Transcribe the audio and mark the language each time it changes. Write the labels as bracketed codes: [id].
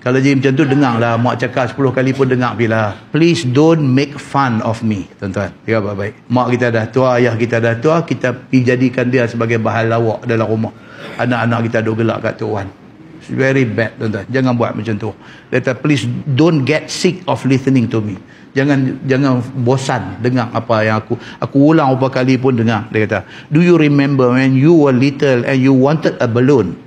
[ms] Kalau jadi macam tu, dengarlah. Mak cakap 10 kali pun dengar bila. [en] "Please don't make fun of me." [ms] Tuan-tuan, dia baik-baik. Mak kita dah tua, ayah kita dah tua, kita jadikan dia sebagai bahan lawak dalam rumah. Anak-anak kita duk gelak kat tuan. [en] Very bad, [ms] tuan-tuan. Jangan buat macam tu. Dia kata, [en] "Please don't get sick of listening to me." [ms] Jangan bosan dengar apa yang aku ulang berapa kali pun dengar. Dia kata, [en] "Do you remember when you were little and you wanted a balloon?"